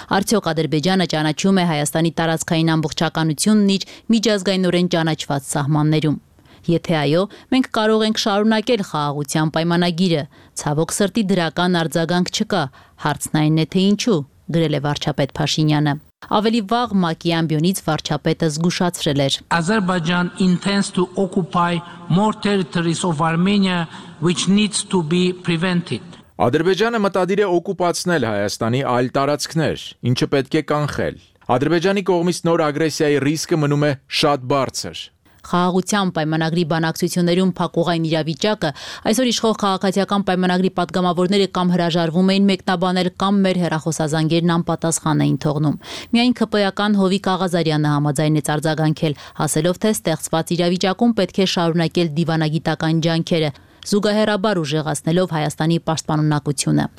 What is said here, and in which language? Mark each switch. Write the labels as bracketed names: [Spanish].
[Armenian] արդյոք Ադրբեջանը ճանաչում է Հայաստանի տարածքային ամբողջականությունն իր միջազգայնորեն ճանաչված սահմաններում։ Եթե այո, մենք կարող ենք շարունակել խաղաղության պայմանագիրը։ Ցավոք սրտի դրական արձագանք չկա։ Հարցն այն է, թե ինչու, գրել է Վարչապետ Փաշինյանը։ Ավելի վաղ Մաքի ամբիոնից վարչապետը զգուշացրել էր. [English] Azerbaijan intends to occupy more territories of Armenia which needs to be prevented. [Armenian] Ադրբեջանը մտադիր է օկուպացնել Հայաստանի այլ տարածքներ, ինչը պետք է կանխել։ Ադրբեջանի կողմից նոր ագրեսիայի ռիսկը մնում է շատ բարձր։ Խաղաղության պայմանագրի բանակցություններում փակուղային իրավիճակը, այսօր իշխող քաղաքացիական պայմանագրի պատգամավորները կամ հրաժարվում էին մեկնաբանել, կամ մեր հեռախոսազանգերն անպատասխան էին թողնում։ Միայն ԽՊԵ-ական Հովիկ Աղազարյանը համաձայնեց արձագանքել, ասելով, թե ստեղծված իրավիճակում պետք է շարունակել դիվանագիտական ջանքերը, զուգահեռաբար ուժեղացնելով Հայաստանի պաշտպանունակությունը։